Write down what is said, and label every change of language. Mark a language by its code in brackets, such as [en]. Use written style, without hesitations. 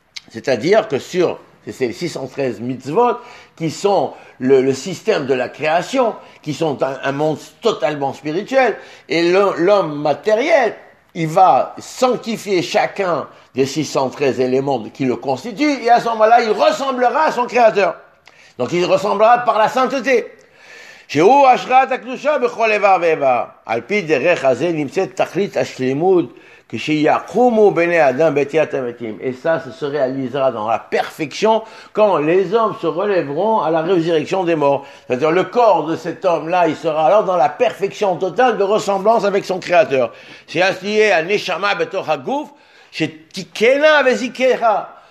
[fr] C'est-à-dire que sur ces 613 mitzvot, qui sont le système de la création, qui sont un monde totalement spirituel, et l'homme matériel, il va sanctifier chacun des 613 éléments qui le constituent, et à ce moment-là, il ressemblera à son Créateur. Donc il ressemblera par la sainteté. [he] שהוא השראת הקדושה בכל איבר ואיבר. על פי דרך הזה נמצאת תכלית השלימות כשיקומו בני אדם בתיית המתים. [fr] Et ça, ce serait à l'Israël dans la perfection quand les hommes se relèveront à la résurrection des morts. C'est-à-dire le corps de cet homme-là, il sera alors dans la perfection totale de ressemblance avec son Créateur. [he] C'est ainsi à Neshama betoch haguf shetikena vezikera.